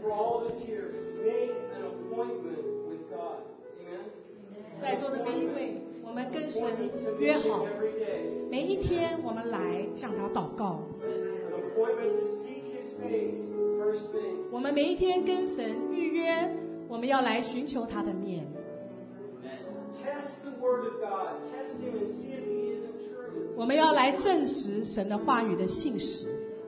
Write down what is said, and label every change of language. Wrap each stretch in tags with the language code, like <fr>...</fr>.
<en>for all of us here, make an appointment with God. Amen.</en> <zh>在座的每一位, 我们跟神, 约好, 每一天, 我们来向他祷告,</zh> <en>an appointment to seek his face first thing.</en> <zh>我们每一天跟神预约, 我们要来寻求他的面,</zh> <en>test the word of God, test him and see if he isn't true.</en> <zh>我们要来证实神的话语的信实。</zh>